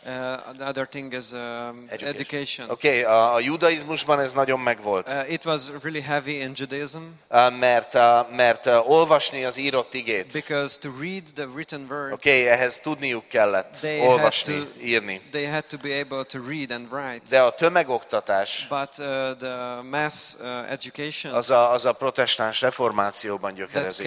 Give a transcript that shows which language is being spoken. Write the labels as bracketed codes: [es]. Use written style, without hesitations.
[en] The other thing is education. [hu] Okay, a judaizmusban ez nagyon megvolt. [en] It was really heavy in Judaism. [hu] Mert olvasni az írott igét. [en] Because to read the written word. [hu] Okay, ehhez tudniuk kellett olvasni, írni. [en] They had to be able to read and write. [hu] De a tömegoktatás. [en] But the mass education. [hu] Az a protestáns reformációban gyökerezik.